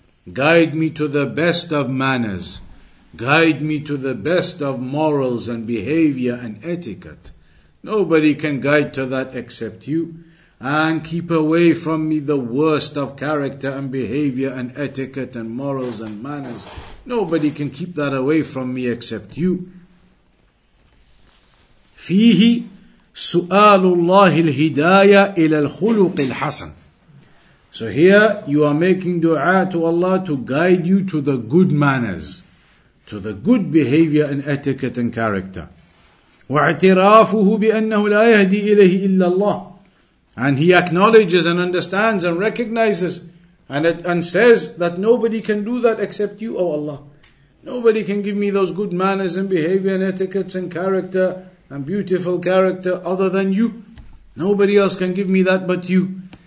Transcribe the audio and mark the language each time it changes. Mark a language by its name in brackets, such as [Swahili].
[English] Guide me to the best of manners. Guide me to the best of morals and behavior and etiquette. Nobody can guide to that except you. And keep away from me the worst of character and behavior and etiquette and morals and manners. Nobody can keep that away from me except you. [Arabic] فيه سؤال الله الهداية إلى الخلق الحسن. [English] So here you are making dua to Allah to guide you to the good manners, to the good behavior and etiquette and character. [Arabic] واعترافه بأنه لا يهدي إليه إلا الله. [English] And he acknowledges and understands and recognizes and says that nobody can do that except you, O Allah. Nobody can give me those good manners and behavior and etiquettes and character and beautiful character other than you. Nobody else can give me that but you.